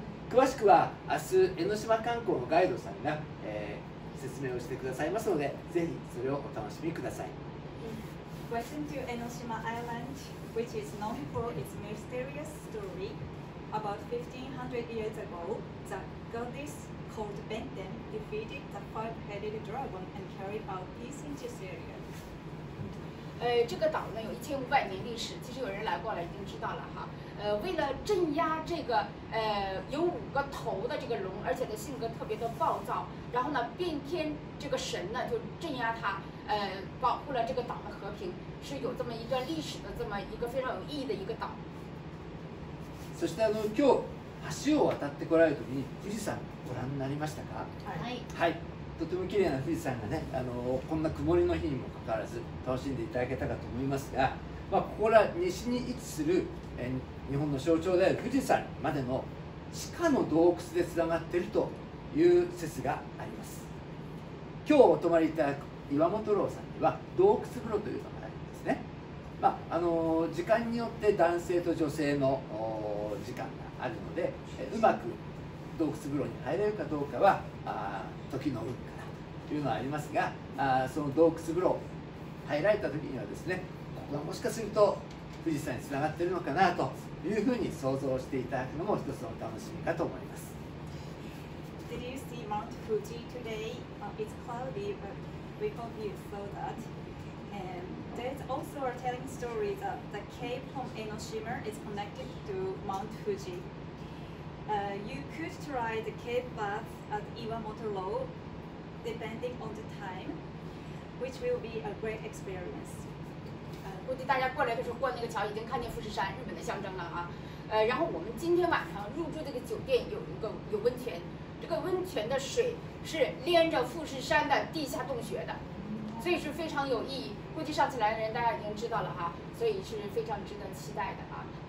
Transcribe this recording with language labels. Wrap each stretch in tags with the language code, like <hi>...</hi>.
<ja>詳しくは明日江ノ島観光のガイドさんが、説明をしてくださいますので、ぜひそれをお楽しみください。</ja> <en>Welcome to 江ノ島 Island, which is known for its mysterious story. About 1500 years ago, the goddess called Benten defeated the five-headed dragon and carried out peace in this area.</en> <zh>这个岛呢有1500年历史，其实有人来过了已经知道了哈。为了镇压这个有五个头的这个龙，而且的性格特别的暴躁，然后呢变天这个神呢就镇压他，保护了这个岛的和平，是有这么一个历史的这么一个非常有意义的一个岛。</zh> <ja>そして今日橋を渡ってこられる時に富士山ご覧になりましたか？はい。はい。とても綺麗な富士山がね、こんな曇りの日にもかかわらず楽しんでいただけたかと思いますが、まあ、ここら西に位置する日本の象徴である富士山までの地下の洞窟でつながっているという説があります。今日お泊まりいただく岩本楼さんには洞窟風呂というのがあるんですね。まあ、時間によって男性と女性の時間があるので、うまく洞窟風呂に入れるかどうかは時の運かなというのはありますが、その洞窟風呂入られた時にはですね、ここがもしかすると富士山につながっているのかなというふうに想像していただくのも一つの楽しみかと思います。</ja> <en>Did you see Mount Fuji today? It's cloudy, but we hope you saw that. And there's also a telling story that the cave from Enoshima is connected to Mount Fuji. You could try the cave bath at Iwamoto Low depending on the time, which will be a great experience.</en> <zh>估计大家过来的时候过那个桥已经看见富士山，日本的象征了啊。然后我们今天晚上入住这个酒店有温泉，这个温泉的水是连着富士山的地下洞穴的，所以是非常有意义。估计上次来的人大家已经知道了哈，所以是非常值得期待的啊。</zh>